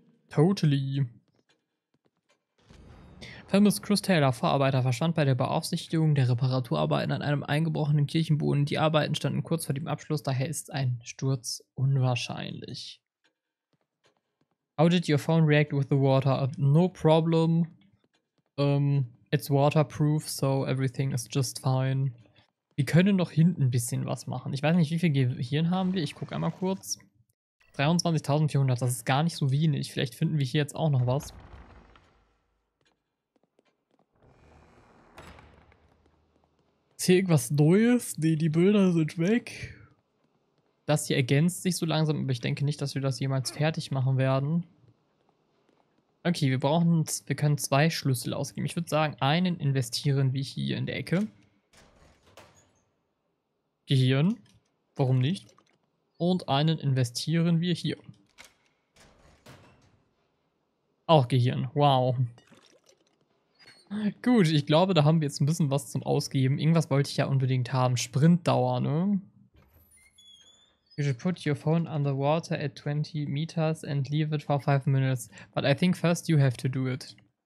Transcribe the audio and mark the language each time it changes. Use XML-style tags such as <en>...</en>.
<en>Totally.</en> <de>Famous Chris Taylor, Vorarbeiter, verschwand bei der Beaufsichtigung der Reparaturarbeiten an einem eingebrochenen Kirchenboden. Die Arbeiten standen kurz vor dem Abschluss, daher ist ein Sturz unwahrscheinlich.</de> <en>How did your phone react with the water? No problem. It's waterproof, so everything is just fine.</en> <de>Wir können noch hinten ein bisschen was machen. Ich weiß nicht, wie viel Gehirn haben wir. Ich gucke einmal kurz. 23.400, das ist gar nicht so wenig. Vielleicht finden wir hier jetzt auch noch was. Ist hier irgendwas Neues? Nee, die Bilder sind weg. Das hier ergänzt sich so langsam, aber ich denke nicht, dass wir das jemals fertig machen werden. Okay, wir können zwei Schlüssel ausgeben. Ich würde sagen, einen investieren wir hier in der Ecke. Gehirn. Warum nicht? Und einen investieren wir hier. Auch Gehirn. Wow. Gut, ich glaube, da haben wir jetzt ein bisschen was zum Ausgeben. Irgendwas wollte ich ja unbedingt haben. Sprintdauer, ne?</de> <en>You should put your phone underwater at 20 meters and leave it for 5 minutes. But I think first you have to do it.</en>